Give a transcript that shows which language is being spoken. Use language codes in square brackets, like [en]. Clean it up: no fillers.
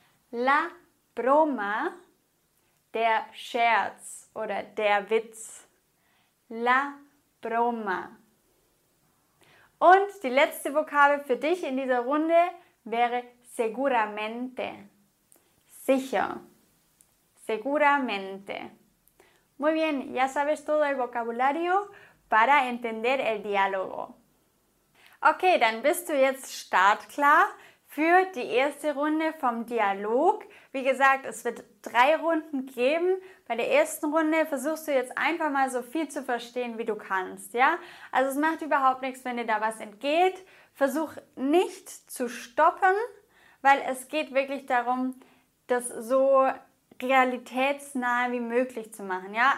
[de] La broma, der Scherz oder der Witz. La broma. Und die letzte Vokabel für dich in dieser Runde wäre seguramente. Sicher. Seguramente. [es] Muy bien, ya sabes todo el vocabulario para entender el diálogo. [de] Okay, dann bist du jetzt startklar für die erste Runde vom Dialog. Wie gesagt, es wird 3 Runden geben. Bei der ersten Runde versuchst du jetzt einfach mal so viel zu verstehen, wie du kannst, ja? Also es macht überhaupt nichts, wenn dir da was entgeht. Versuch nicht zu stoppen, weil es geht wirklich darum, dass so realitätsnah wie möglich zu machen, ja?